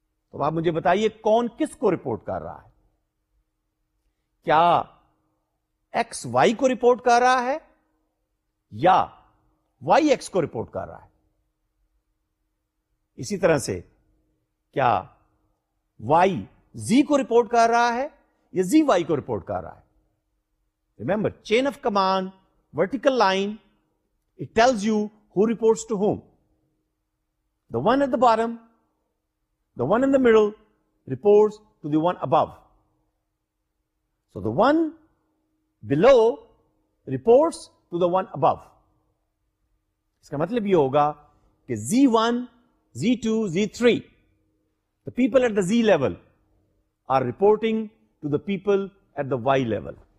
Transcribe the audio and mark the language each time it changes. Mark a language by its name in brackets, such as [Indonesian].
[Urdu] تو آپ مجھے بتائیے کون کس کو رپورٹ کر رہا ہے؟ کیا ایکس وائی کو رپورٹ کر رہا ہے یا وائی ایکس کو رپورٹ کر رہا ہے؟ اسی طرح سے کیا وائی زی کو رپورٹ کر رہا ہے یا زی وائی کو رپورٹ کر رہا ہے؟ [English] Remember, chain of command, vertical line, it tells you who reports to whom. The one at the bottom, the one in the middle reports to the one above. So the one below reports to the one above. [Urdu] Iska matlab ye hoga ki [English] Z1, Z2, Z3, the people at the Z level are reporting to the people at the Y level.